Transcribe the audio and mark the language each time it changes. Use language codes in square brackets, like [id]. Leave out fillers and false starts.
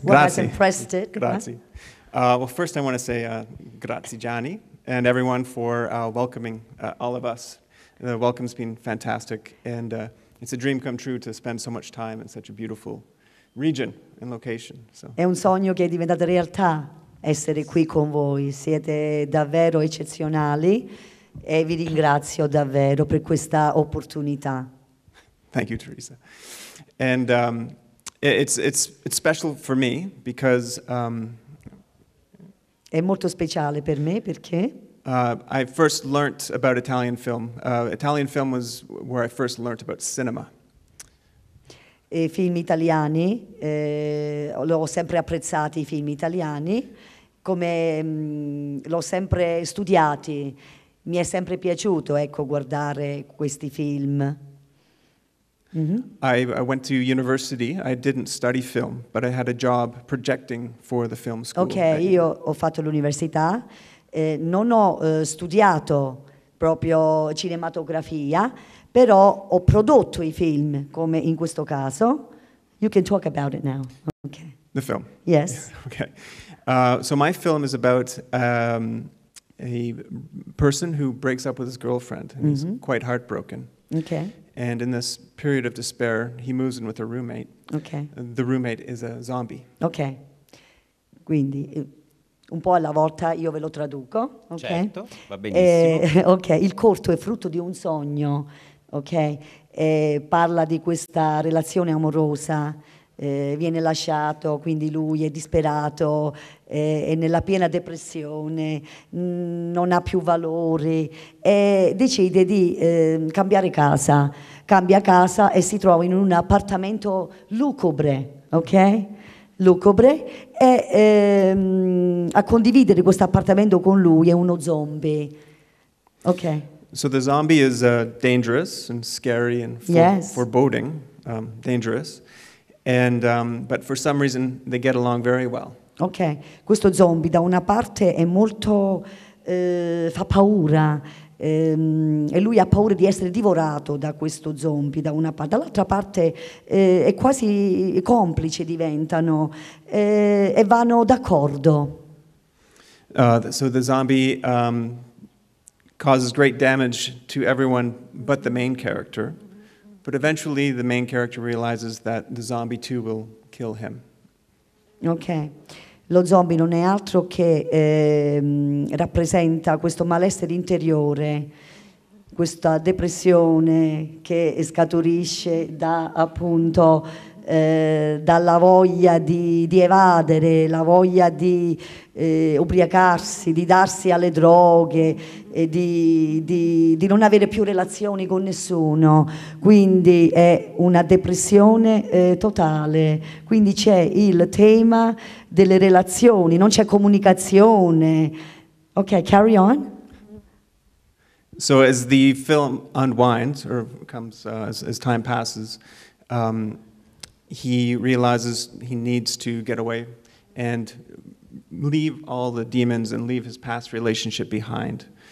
[it] Grazie. [en] What has impressed it. Grazie. Well, first I want to say grazie, Gianni. And everyone for welcoming all of us. The welcome's been fantastic, and it's a dream come true to spend so much time in such a beautiful region and location. So. [it] È un sogno che è diventato realtà essere qui con voi. Siete davvero eccezionali, e vi ringrazio davvero per questa opportunità. [en] Thank you, Teresa. And it's special for me because. [it] È molto speciale per me perché [en] I first learned about Italian film. Italian film was where I first learned about cinema. [it] I film italiani, l'ho sempre apprezzati i film italiani, come l'ho sempre studiati. Mi è sempre piaciuto, ecco, guardare questi film. [en] Mm-hmm. I went to university. I didn't study film, but I had a job projecting for the film school. [it] Okay, io ho fatto l'università. Non ho studiato proprio cinematografia, però ho prodotto i film, come in questo caso. [en] You can talk about it now. [it] Okay. [en] The film? Yes. Okay. So my film is about a person who breaks up with his girlfriend, and mm-hmm. he's quite heartbroken. Okay. And in this period of despair, he moves in with a roommate. Okay. The roommate is a zombie. Okay. [it] Quindi, un po' alla volta io ve lo traduco. Okay? Certo, va benissimo. Okay, il corto è frutto di un sogno, okay? Parla di questa relazione amorosa, viene lasciato, quindi lui è disperato, è nella piena depressione, non ha più valori, e decide di cambiare casa. Cambia casa e si trova in un appartamento lucubre, ok? Lucubre, e a condividere questo appartamento con lui è uno zombie. Ok. [en] So the zombie is dangerous and scary and foreboding, dangerous, and but for some reason they get along very well. [it] Ok, questo zombie da una parte è molto fa paura. E lui ha paura di essere divorato da questo zombie da una parte, dall'altra parte è quasi complice, diventano e vanno d'accordo. [en] So the zombie causes great damage to everyone but the main character, but eventually the main character realizes that the zombie too will kill him. Ok. [it] Lo zombie non è altro che rappresenta questo malessere interiore, questa depressione che scaturisce da, appunto, dalla voglia di evadere, la voglia di ubriacarsi, di darsi alle droghe, e di non avere più relazioni con nessuno. Quindi è una depressione totale. Quindi c'è il tema delle relazioni, non c'è comunicazione. [en] Ok, carry on. So as the film unwinds, or comes as time passes, he realizes he needs to get away and leave all the demons and leave his past relationship behind.